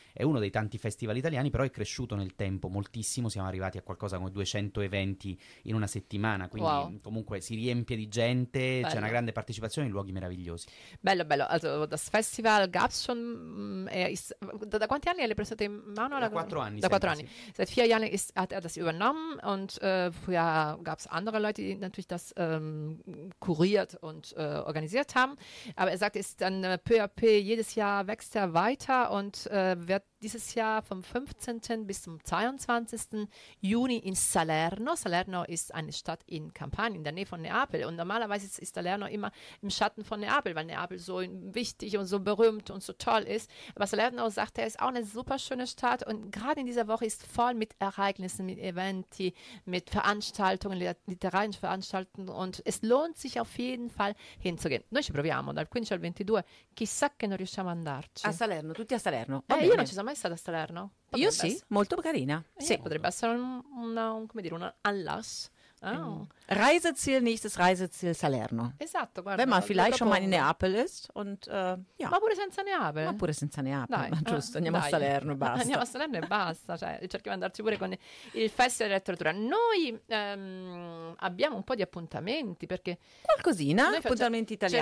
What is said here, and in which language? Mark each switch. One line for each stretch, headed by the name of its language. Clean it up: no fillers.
Italian: È uno dei tanti festival italiani, però è cresciuto nel tempo moltissimo. Siamo arrivati a qualcosa come 200 eventi in una settimana, quindi wow. Comunque si riempie di gente, bello. C'è una grande partecipazione in luoghi meravigliosi. Bello, bello. Allora, da festival
German: gab es schon,
Italian: da quanti anni hai preso in mano? Da 4 anni. Da 4 anni. Sì.
German: Seit 4 anni hat er das übernommen und früher gab es andere Leute, die natürlich das kuriert und organisiert haben. Aber er sagt, ist dann peu à peu, jedes Jahr wächst er weiter und wird dieses Jahr vom 15. bis zum 22. Juni in Salerno. Salerno ist eine Stadt in Kampanien, in der Nähe von Neapel. Und normalerweise ist Salerno immer im Schatten von Neapel, weil Neapel so wichtig und so berühmt und so toll ist. Aber Salerno, sagt er, ist auch eine super schöne Stadt. Und gerade in dieser Woche ist voll mit Ereignissen, mit Eventi, mit Veranstaltungen, literarischen Veranstaltungen. Und es lohnt sich auf jeden Fall hinzugehen.
Italian: Noi ci proviamo dal 15 al 22. Chissà che non riusciamo ad andarci. A Salerno, tutti a Salerno. Io non ci sono mai stata a Salerno. Potrebbe io sì, essere. Molto carina. Sì. Potrebbe essere un Anlass. Oh.
German: Reiseziel, nächstes Reiseziel Salerno.
Italian: Esatto, guarda.
German: Wenn man vielleicht schon mal in Neapel ist und ja.
Italian: Ma pure senza Neapel. Giusto, andiamo a Salerno e basta. Andiamo a Salerno e basta, cioè cerchiamo di andarci pure con il Festival di Letteratura. Noi abbiamo un po' di appuntamenti, perché qualcosina, appuntamenti italiani.